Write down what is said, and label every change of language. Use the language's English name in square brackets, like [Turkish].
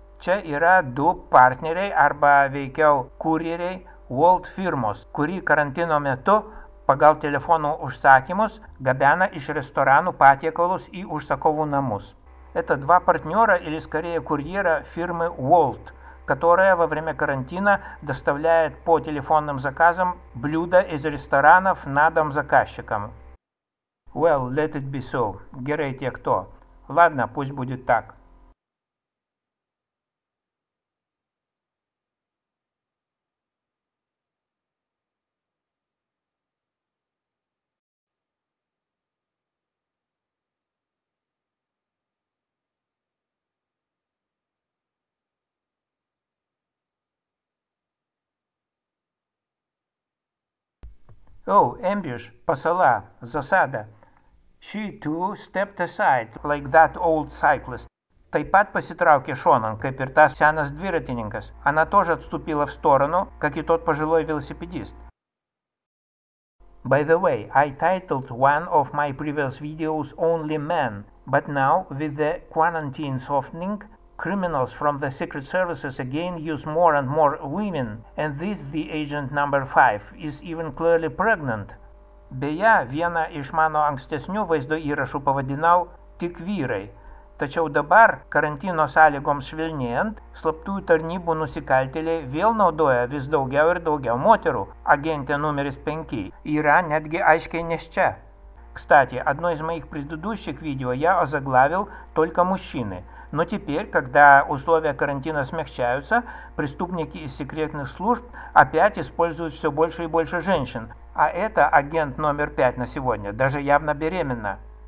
[Lithuanian] Čia yra du partneriai arba veikiau kurjeriai Walt firmos, kuri karantino metu pagal telefonų užsakymus gabena iš restoranų patiekalus į užsakovų namus. [Russian] Это два партнера или скорее курьера фирмы Walt, которая во время карантина доставляет по телефонным заказам блюда из ресторанов на дом заказчикам. [English] Well, let it be so. [Lithuanian] Gerai tiek to. [Russian] Ладно, пусть будет так. [English] Oh, ambush, pasala, zasada. She too stepped aside, like that old cyclist. [Lithuanian] Taip pat pasitraukė šonan, kaip ir tas senas dviratininkas. [Russian] Она тоже отступила в сторону, как и тот пожилой велосипедист. [English] By the way, I titled one of my previous videos only men, but now, with the quarantine softening, criminals from the secret services again use more and more women, and this the agent number 5 is even clearly pregnant. [Lithuanian] Beje, vieną iš mano ankstesnių vaizdo įrašų pavadinau tik vyrai. Tačiau dabar, karantino sąlygoms švelnėjant, slaptųjų tarnybų nusikaltėliai vėl naudoja vis daugiau ir daugiau moterų. Agentė numeris 5 yra netgi aiškiai nėščia. [Russian] Кстати, одно из моих предыдущих видео я озаглавил «Только мужчины». Но теперь, когда условия карантина смягчаются, преступники из секретных служб опять используют все больше и больше женщин. А это агент номер 5 на сегодня, даже явно беременна.